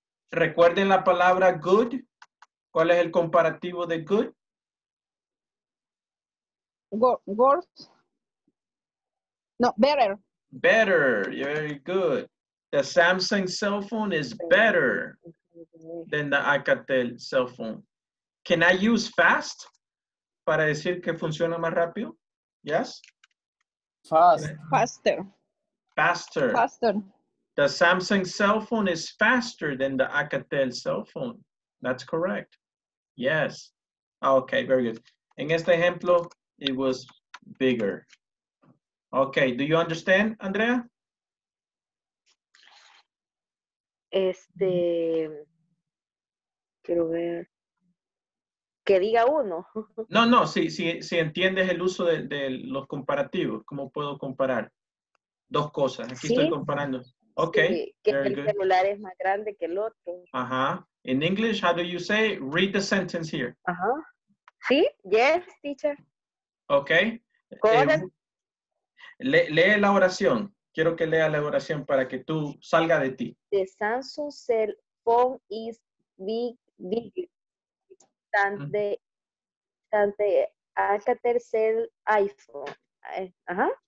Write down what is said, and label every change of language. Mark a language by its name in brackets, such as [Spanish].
[Spanish] Recuerden la palabra good. ¿Cuál es el comparativo de good? [English] Worse. No, better. Better. Very good. The Samsung cell phone is better than the Acatel cell phone. Can I use fast [Spanish] para decir que funciona más rápido? [English] Yes? Fast. Faster. Faster. Faster. The Samsung cell phone is faster than the Acatel cell phone. That's correct. Yes. Okay, very good. [Spanish] En este ejemplo, [English] it was bigger. Okay, do you understand, Andrea? [Spanish] Quiero ver. Que diga uno. No, si entiendes el uso de los comparativos, ¿cómo puedo comparar dos cosas? Aquí ¿sí? estoy comparando. [English] Okay. [Spanish] Que el celular es más grande que el otro. [English] Uh-huh. In English, how do you say? Read the sentence here. Uh-huh. Sí, yes, teacher. [Spanish] Okay. Lee la oración. Quiero que lea la oración para que tú salga de ti. [English] The Samsung cell phone is big than the Alcatel cell iPhone.